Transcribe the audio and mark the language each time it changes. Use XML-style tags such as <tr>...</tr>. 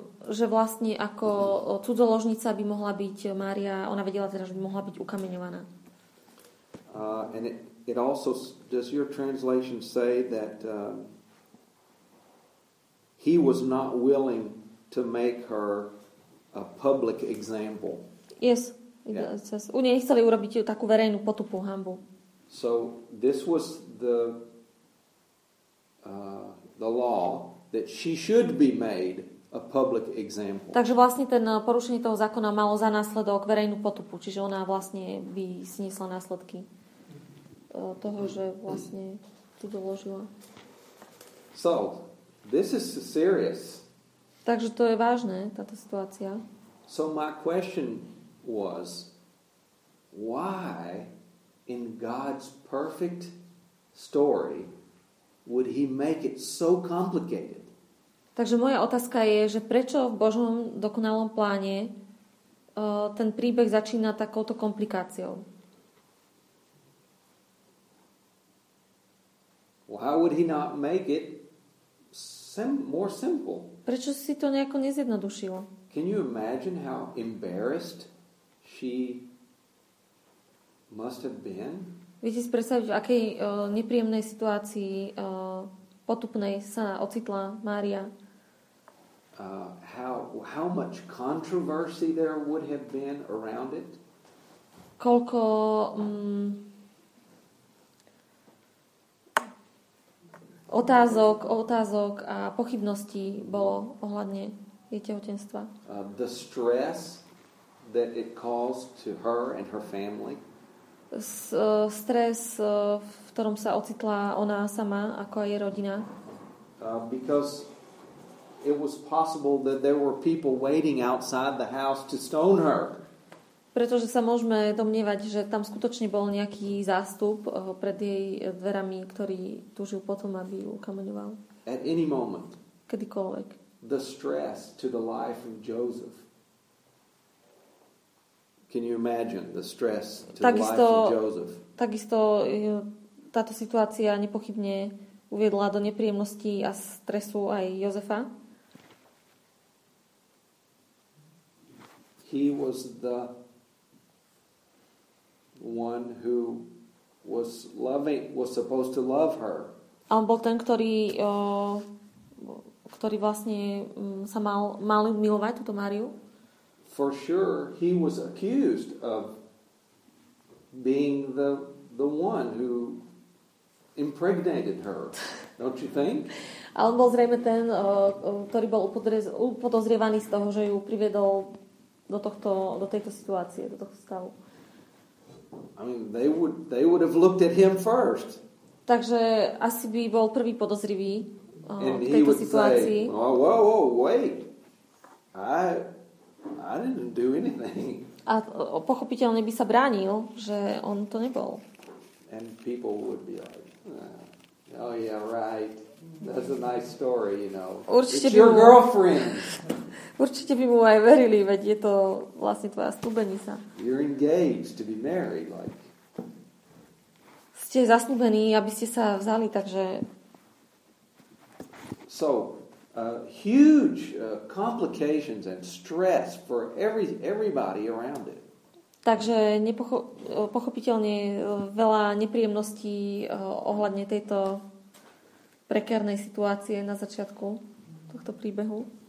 <sk>Že vlastne ako cudzoložnica by mohla byť Mária, ona vedela teda, že by mohla byť ukameňovaná.</sk> <en>And it also does your translation say that he was not willing to make her a public example. Yes, yeah.</en> <sk>U nej chceli urobiť takú verejnú potupu, hanbu.</sk> <en>So this was the law that she should be made a public example.</en> <sk>Takže vlastne ten porušenie toho zákona malo za následok verejnú potupu, čiže ona vlastne by sniesla následky toho, že vlastne tu doložila.</sk> <en>So this is serious.</en> <sk>Takže to je vážne, táto situácia.</sk> <en>So my question was, why in God's perfect story would he make it so complicated?</en> <sk>Takže moja otázka je, že prečo v Božom dokonalom pláne ten príbeh začína takouto komplikáciou?</sk> <en>Why would he not make it more simple?</en> <sk>Prečo si to nejako nezjednodušilo?</sk> <en>Can you imagine how embarrassed she must have been?</en> <sk>Viete si predstaviť, v akej nepríjemnej situácii potupnej sa ocitla Mária?</sk> <en>How much controversy there would have been around it?</en> <sk>Koľko otázok a pochybností bolo ohľadne jej tehotenstva.</sk> <en>The stress that it caused to her and her family.</en> <sk>Stres, v ktorom sa ocitla ona sama, ako aj jej rodina.</sk> <en>Because it was possible that there were people waiting outside the house to stone her.</en> <sk>Pretože sa môžeme domnievať, že tam skutočne bol nejaký zástup pred jej dverami, ktorý túžil potom, aby ju ukameňoval.</sk> <en>At any moment.</en> <sk>Kedykoľvek.</sk> <en>The stress to the life of Joseph. Can you imagine the stress to takisto, the life of Joseph?</en> <sk>Takisto táto situácia nepochybne uviedla do nepríjemností a stresu aj Jozefa.</sk> <en>He was the one who was loving, was supposed to love her.</en> <sk>A on bol ten, ktorý vlastne sa mal milovať túto Máriu.</sk> <en>For sure, he was accused of being the one who impregnated her. Don't you think?</en> <sk>A on bol zrejme ten, ktorý bol podozrievaný z toho, že ju priviedol do tejto situácie, do tohto stavu.</sk> <en>I mean, they would have looked at him first.</en> <sk>Takže asi by bol prvý podozrivý v tejto situácii.</sk> <en>Say, whoa, wait. I didn't do anything.</en> <sk>A pochopiteľne by sa bránil, že on to nebol.</sk> <en>And people would be like, oh yeah, right. That's a nice story, you know.</en> <sk>Určite by mu aj verili, veď je to vlastne tvoja snúbenica.</sk> <en>You're engaged to be married, like.</en> <sk>Ste zasnúbení, aby ste sa vzali, takže...</sk> <en>So, huge complications and stress for everybody around it.</en> <sk>Takže pochopiteľne veľa nepríjemností ohľadne tejto prekérnej situácie na začiatku tohto príbehu.</sk>